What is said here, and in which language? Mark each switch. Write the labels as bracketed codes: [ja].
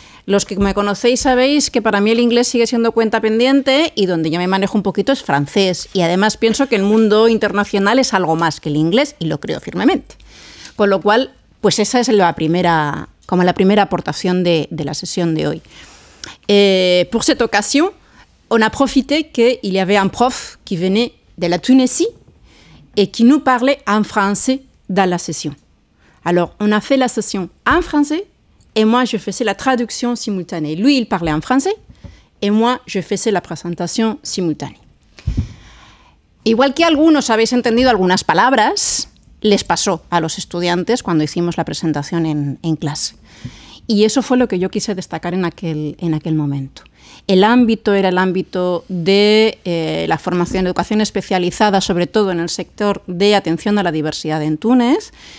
[es] Los que me conocéis sabéis que para mí el inglés sigue siendo cuenta pendiente y donde yo me manejo un poquito es francés. Y además pienso que el mundo internacional es algo más que el inglés y lo creo firmemente. Con lo cual, pues esa es la primera aportación de la sesión de hoy. [fr] Por cette occasion, on a profité que il y avait un prof qui venait de la Tunisie et qui nous parlait en français dans la session. Alors, on a fait la session en français. Et moi, je faisais la traduction simultanée. Lui, il parlait en français. Et moi, je faisais la présentation simultanée. [es] Igual que algunos habéis entendido algunas palabras, les pasó a los estudiantes cuando hicimos la presentación en clase. Y eso fue lo que yo quise destacar en aquel momento. El ámbito era el ámbito de la formación de educación especializada, sobre todo en el sector de atención a la diversidad en Túnez.